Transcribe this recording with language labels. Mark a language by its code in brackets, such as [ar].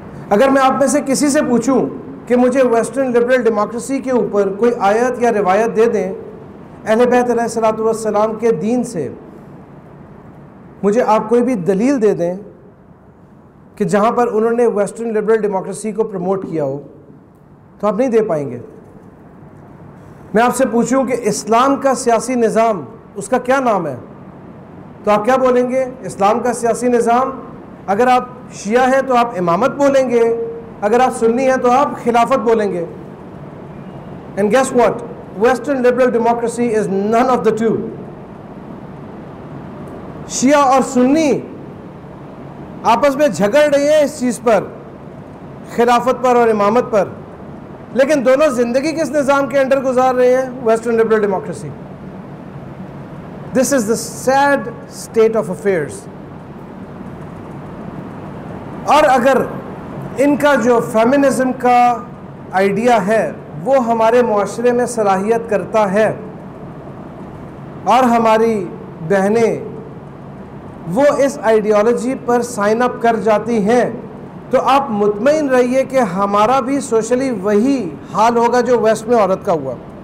[ur] اگر میں آپ میں سے کسی سے پوچھوں کہ مجھے ویسٹرن لبرل ڈیموکریسی کے اوپر کوئی آیت یا روایت دے دیں اہل بیت علیہ الصلوۃ والسلام کے دین سے، مجھے آپ کوئی بھی دلیل دے دیں کہ جہاں پر انہوں نے ویسٹرن لبرل ڈیموکریسی کو پروموٹ کیا ہو، تو آپ نہیں دے پائیں گے. میں آپ سے پوچھوں کہ اسلام کا سیاسی نظام اس کا کیا نام ہے، تو آپ کیا بولیں گے؟ اسلام کا سیاسی نظام، اگر آپ شیعہ ہیں تو آپ امامت بولیں گے، اگر آپ سنی ہیں تو آپ خلافت بولیں گے. [en] And guess what, western liberal democracy is none of the two. [ur] شیعہ اور سنی آپس میں جھگڑ رہے ہیں اس چیز پر، خلافت پر اور امامت پر، لیکن دونوں زندگی کس نظام کے انڈر گزار رہے ہیں؟ Western liberal democracy. [en] This is the sad state of affairs. [ur] اور اگر ان کا جو فیمنزم کا آئیڈیا ہے وہ ہمارے معاشرے میں صلاحیت کرتا ہے اور ہماری بہنیں وہ اس آئیڈیالوجی پر سائن اپ کر جاتی ہیں تو آپ مطمئن رہیے کہ ہمارا بھی سوشلی وہی حال ہوگا جو ویسٹ میں عورت کا ہوا.